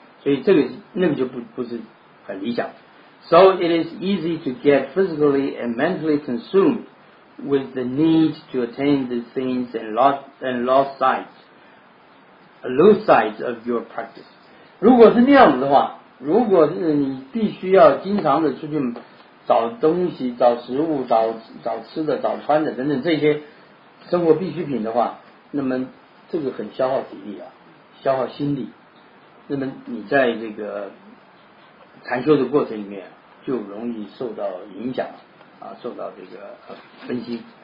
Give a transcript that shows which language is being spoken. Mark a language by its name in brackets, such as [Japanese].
[Chinese] 所以这个那个就不是很理想。 [English] So it is easy to get physically and mentally consumed with the need to attain the things and lose sight of your practice。 [Chinese] 如果是那样子的话，如果是你必须要经常的出去找东西，找食物，找吃的，找穿的等等这些生活必需品的话，那么这个很消耗体力啊，消耗心力，那么你在这个禅修的过程里面就容易受到影响啊，受到这个分心。